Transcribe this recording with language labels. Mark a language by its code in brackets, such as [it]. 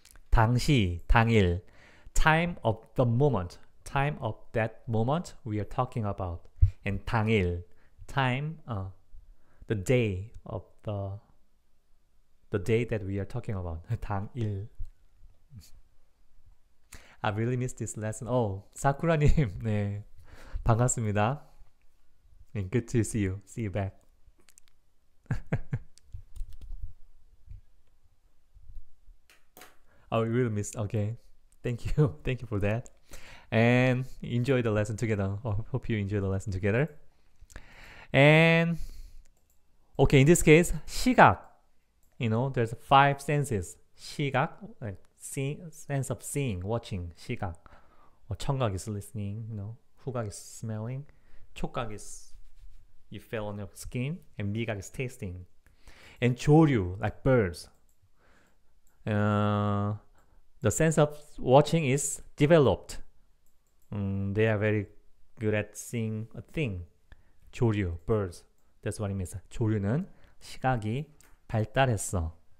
[en] 당시, 당일, time of the moment. Time of that moment we are talking about. And 당일, time, the day of the day that we are talking about. [ko] 당일. [en] I really miss this lesson. [ko] Oh, 사쿠라님, 네, 반갑습니다. [en] And good to see you. See you back. Oh, we really missed. Okay. Thank you. Thank you for that. And enjoy the lesson together. Oh, hope you enjoy the lesson together. And okay, in this case, 시각. You know, there's five senses. 시각, like seeing, sense of seeing, watching. 시각. 청각 is listening. You know, 후각 is smelling. 촉각 is you feel on your skin. And 미각 is tasting. And 조류, like birds. The sense of watching is developed. They are very good at seeing a thing. 조류, birds. That's what it means. [ko] 조류는 시각이 발달했어.